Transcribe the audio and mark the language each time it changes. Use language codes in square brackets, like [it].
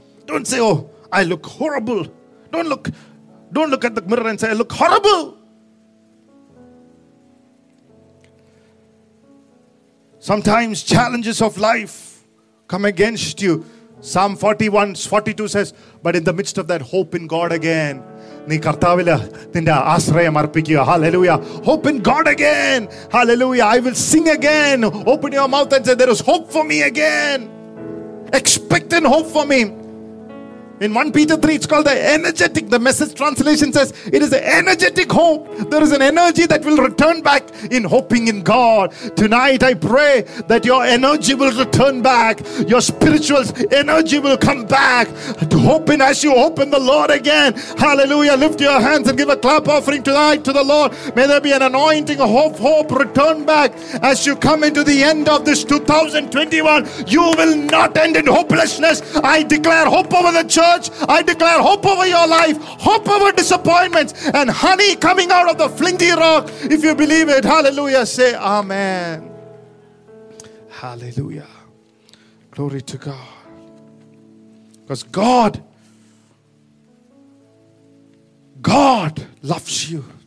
[en] Don't say, oh, I look horrible. Don't look at the mirror and say, I look horrible. Sometimes challenges of life come against you. Psalm 41, 42 says, but in the midst of that, hope in God again. [ml] നീ കർത്താവിൽ നിന്റെ ആശ്രയം അർപ്പിക്കുക. [en] Hallelujah. Hope in God again. Hallelujah. I will sing again. Open your mouth and say there is hope for me again. Expect and hope for me. In 1 Peter 3 it's called the energetic. The message translation says it is a energetic hope. There is an energy that will return back in hoping in God. Tonight I pray that your energy will return back. Your spiritual energy will come back to hope in as you hope in the Lord again. Hallelujah. Lift your hands and give a clap offering tonight to the Lord. May there be an anointing hope. Hope return back as you come into the end of this 2021. You will not end in hopelessness. I declare hope over the church. I declare hope over your life, hope over disappointments, and honey coming out of the flinty rock. If you believe it, hallelujah, say amen. Hallelujah. Glory to God. Because God loves you.